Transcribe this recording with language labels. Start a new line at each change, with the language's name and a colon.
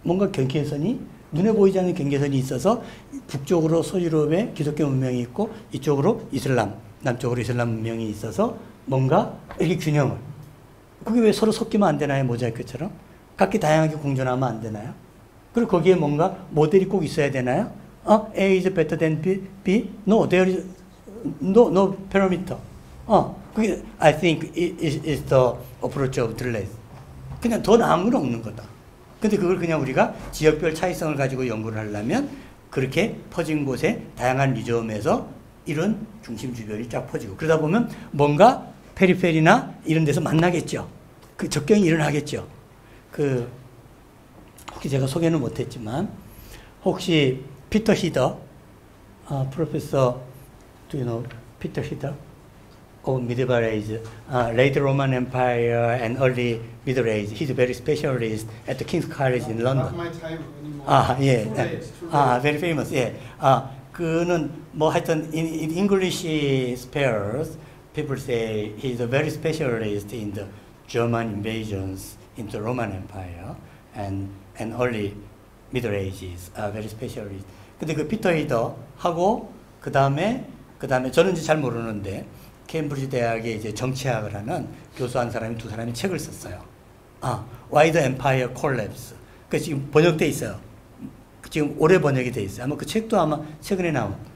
Korean: 뭔가 경계선이, 눈에 보이지 않는 경계선이 있어서 북쪽으로 서유럽의 기독교 문명이 있고 이쪽으로 이슬람, 남쪽으로 이슬람 문명이 있어서 뭔가 이렇게 균형을. 그게 왜 서로 섞이면 안 되나요? 모자이크처럼? 각기 다양하게 공존하면 안 되나요? 그리고 거기에 뭔가 모델이 꼭 있어야 되나요? 어?
English: A is better than B? B? No, there is no parameter.
Korean: 어, 그게
English: I think is the approach of Deleuze.
Korean: 그냥 더 나은 건 없는 거다. 근데 그걸 그냥 우리가 지역별 차이성을 가지고 연구를 하려면 그렇게 퍼진 곳에 다양한 리조엄에서 이런 중심 주변이 쫙 퍼지고 그러다 보면 뭔가 페리페리나 이런 데서 만나겠죠. 그 접경이 일어나겠죠. 그 혹시 제가 소개는 못했지만 혹시 피터 히더, 아, 프로페서,
English: do you know Peter Heder? Oh, Middle Ages, Late Roman Empire and Early Middle Ages. He's a very specialist at the King's College in London. Not my time anymore.
Korean: 아, 예.
English: Too late, too late.
Korean: 아,
English: very famous.
Korean: 예. 아, 그는 뭐 하여튼
English: in English spheres, people say he's a very specialist in the German invasions in the Roman Empire and early Middle Ages. A very specialist.
Korean: 근데 그 피터 히더 하고 그 다음에 저는 이제 잘 모르는데. 케임브리지 대학에 이제 정치학을 하는 교수 한 사람이 두 사람이 책을 썼어요. 아, Why the Empire Collapse. 그 지금 번역돼 있어요. 지금 올해 번역이 돼 있어요. 아마 그 책도 아마 최근에 나온.